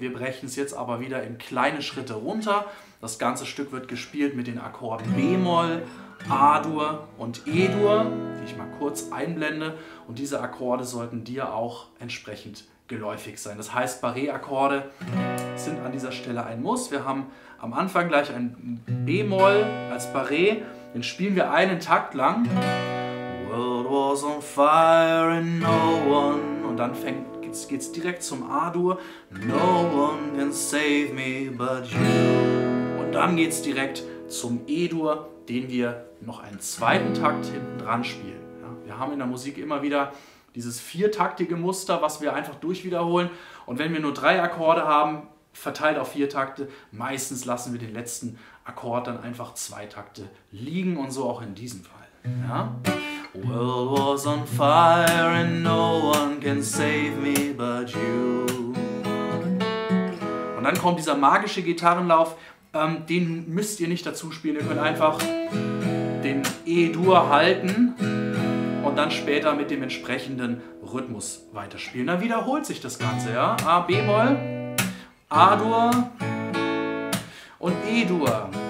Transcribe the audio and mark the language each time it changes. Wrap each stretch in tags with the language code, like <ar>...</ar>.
<de>Wir brechen es jetzt aber wieder in kleine Schritte runter. Das ganze Stück wird gespielt mit den Akkorden B-Moll, A-Dur und E-Dur, die ich mal kurz einblende. Und diese Akkorde sollten dir auch entsprechend geläufig sein. Das heißt, Barré-Akkorde sind an dieser Stelle ein Muss. Wir haben am Anfang gleich ein B-Moll als Barré. Den spielen wir einen Takt lang.</de> <en>World was on fire and no one.</en> <de>Und dann geht's direkt zum A-Dur.</de> <en>No one can save me but you.</en> <de>Und dann geht's direkt zum E-Dur, den wir noch einen zweiten Takt hinten dran spielen. Ja, wir haben in der Musik immer wieder dieses viertaktige Muster, was wir einfach durchwiederholen. Und wenn wir nur drei Akkorde haben, verteilt auf vier Takte, meistens lassen wir den letzten Akkord dann einfach zwei Takte liegen und so auch in diesem Fall. Ja?</de> <en>World was on fire and no one can save me but you.</en> <de>Und dann kommt dieser magische Gitarrenlauf, den müsst ihr nicht dazu spielen. Ihr könnt einfach den E-Dur halten und dann später mit dem entsprechenden Rhythmus weiterspielen. Dann wiederholt sich das Ganze, ja? A, B-Moll, A-Dur und E-Dur.</de>